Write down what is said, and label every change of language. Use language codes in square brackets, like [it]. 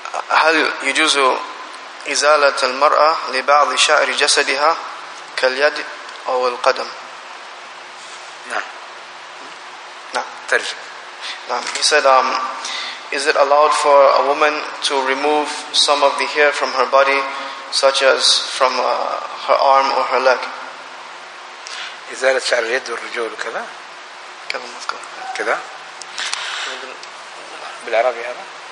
[ar] هل يجوز إزالة المرأة لبعض شعر جسدها كاليد أو القدم؟ نعم. [en] He said, is it allowed for a woman to remove some of the hair from her body, such as from her arm or her leg? [ar] إزالة شعر اليد والرجول كذا؟ كذا مذكور. كذا؟ بالعربي هذا؟